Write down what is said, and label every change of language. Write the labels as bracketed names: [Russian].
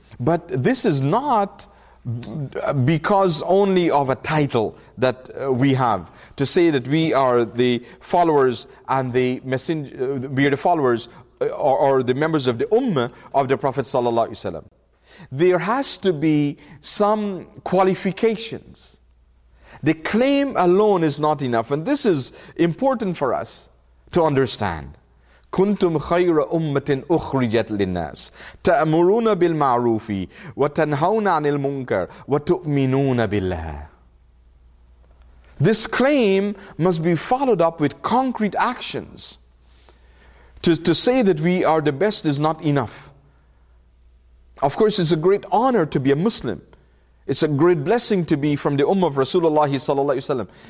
[English] But this is not because only of a title that we have to say that we are the followers and the messenger, we are the followers or the members of the ummah of the Prophet [Arabic] sallallahu alaihi wasallam. [English] There has to be some qualifications. The claim alone is not enough, and this is important for us to understand. [Arabic] كنتم خير أمة أخرجت للناس تأمرون بالمعروف وتنهون عن المنكر وتؤمنون بالله. [English] This claim must be followed up with concrete actions. To say that we are the best is not enough. Of course, it's a great honor to be a Muslim. It's a great blessing to be from the Ummah of Rasulullah [Arabic] sallallahu alaihi wasallam.